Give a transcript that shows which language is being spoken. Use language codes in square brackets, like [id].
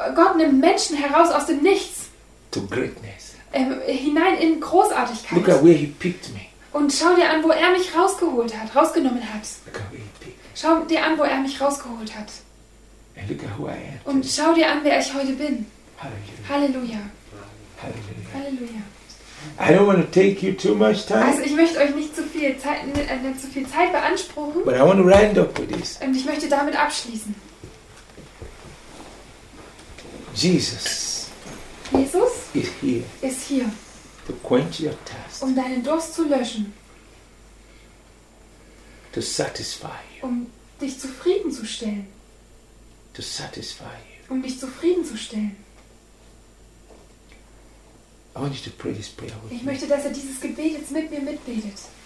[de] Gott nimmt Menschen heraus aus dem Nichts. [en] To greatness. [de] Hinein in Großartigkeit. [en] Look at where he picked me. [de] Und schau dir an, wo er mich rausgeholt hat, rausgenommen hat. Schau dir an, wo er mich rausgeholt hat. [en] And look at who I am. [de] Und schau dir an, wer ich heute bin. Halleluja. Halleluja. [en] Halleluja. I don't want to take you too much time. [de] Also ich möchte euch nicht zu viel Zeit beanspruchen. [en] But I want to round up with this. [de] Und ich möchte damit abschließen. [en] Jesus is here. [de] Ist hier. [en] To quench your thirst. [de] Um deinen Durst zu löschen. [en] To satisfy you. [de] Um dich zufriedenzustellen. [en] To satisfy you. [de] Um dich zufriedenzustellen. [en] I want you to pray this prayer with [de] ich möchte, dass er dieses Gebet jetzt mit mir mitbetet.